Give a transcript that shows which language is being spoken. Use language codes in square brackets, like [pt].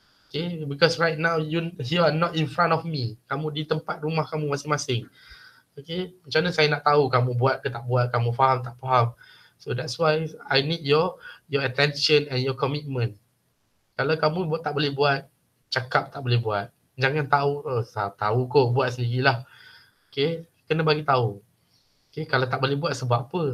[en] Okay, because right now you are not in front of me. [ms] Kamu di tempat rumah kamu masing-masing. Okay, macam mana saya nak tahu kamu buat ke tak buat, kamu faham tak faham. [en] So that's why I need your attention and your commitment. [ms] Kalau kamu buat tak boleh buat, cakap tak boleh buat. Jangan tahu, tahu kok, buat sendirilah. Okay, kena bagi tahu. Okay, kalau tak boleh buat sebab apa?